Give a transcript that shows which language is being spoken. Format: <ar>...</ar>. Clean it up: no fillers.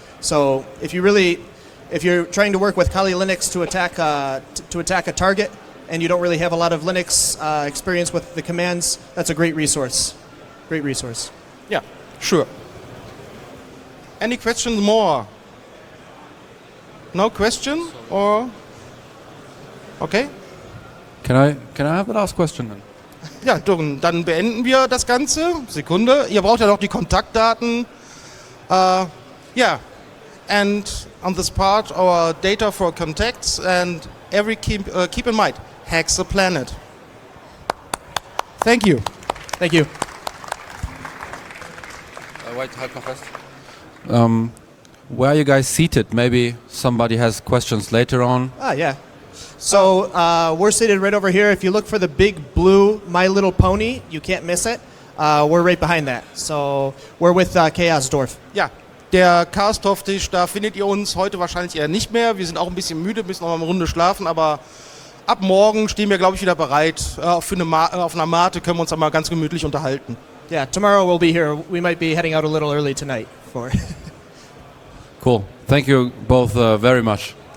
<en>So if you're trying to work with Kali Linux to attack a target, and you don't really have a lot of Linux experience with the commands, that's a great resource. Great resource. Yeah, sure. Any questions more? No question? Or okay? Can I have a last question then?</en> <de>Ja, dann beenden wir das Ganze. Sekunde. Ihr braucht ja noch die Kontaktdaten.</de> <en>And on this part, our data for contacts and every keep in mind, hacks the planet. Thank you. Thank you. Wait,</en> <de>halt mal fest.</de> <en>Where are you guys seated? Maybe somebody has questions later on. Ah, yeah. So we're seated right over here. If you look for the big blue My Little Pony, you can't miss it. We're right behind that. So we're with Chaos Dorf.</en> <de>Yeah, der Chaos Dorf Tisch, da findet ihr uns heute wahrscheinlich eher nicht mehr. Wir sind auch ein bisschen müde, müssen noch mal eine Runde schlafen. Aber ab morgen stehen wir, glaube ich, wieder bereit. Auf einer Mate können wir uns dann mal ganz gemütlich unterhalten.</de> <en>Yeah, tomorrow we'll be here. We might be heading out a little early tonight. Cool. Thank you both very much.</en>